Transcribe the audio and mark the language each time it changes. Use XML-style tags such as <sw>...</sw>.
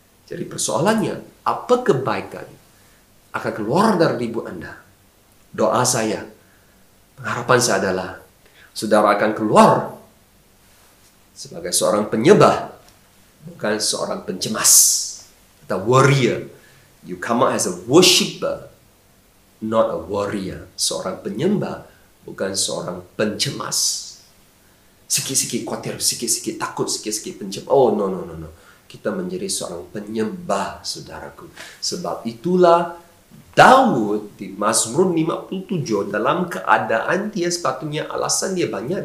<ms>Jadi persoalannya, apa kebaikan akan keluar dari ribut anda? Doa saya, pengharapan saya adalah saudara akan keluar sebagai seorang penyembah, bukan seorang pencemas atau warrior.</ms> <en>You come out as a worshipper, not a warrior.</en> <ms>Seorang penyembah, bukan seorang pencemas. Sikit-sikit khawatir, sikit-sikit takut, sikit-sikit pencemas. No. Kita menjadi seorang penyembah, saudaraku. Sebab itulah Daud di Mazmur 57 dalam keadaan dia sepatutnya alasan dia banyak.</ms>